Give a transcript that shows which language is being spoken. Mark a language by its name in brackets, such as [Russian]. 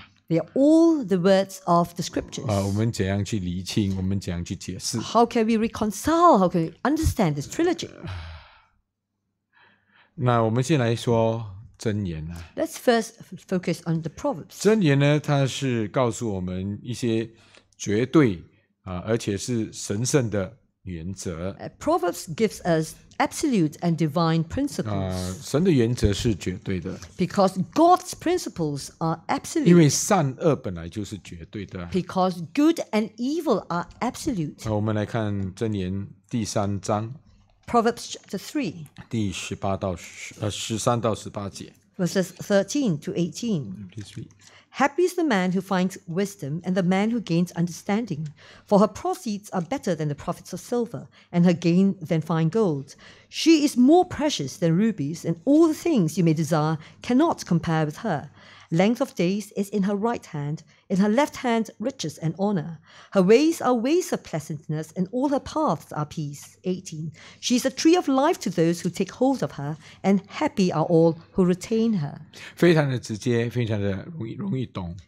[English] They are all the words of the scriptures. [Chinese] 我们怎样去厘清，我们怎样去解释？ [English] How can we reconcile? How can we understand this trilogy? [Chinese] 那我们先来说 [English] Let's first focus on the Proverbs. [Chinese] 真言呢, 它是告诉我们一些绝对, 而且是神圣的原则。 [English] Proverbs gives us absolute and divine principles. [Chinese] 神的原则是绝对的。 [English] Because God's principles are absolute. [Chinese] 因为善恶本来就是绝对的。 [English] Because good and evil are absolute. [Chinese] 我们来看真言第三章。 [English] Proverbs chapter 3. [Chinese] 第十八到十三到十八节。 [English] Verses 13 to 18. Happy is the man who finds wisdom and the man who gains understanding. For her proceeds are better than the profits of silver and her gain than fine gold. She is more precious than rubies and all the things you may desire cannot compare with her. Length of days is in her right hand, in her left hand riches and honor. Her ways are ways of pleasantness, and all her paths are peace. 18. She is a tree of life to those who take hold of her, and happy are all who retain her. [Chinese] 非常的直接，非常的容易懂。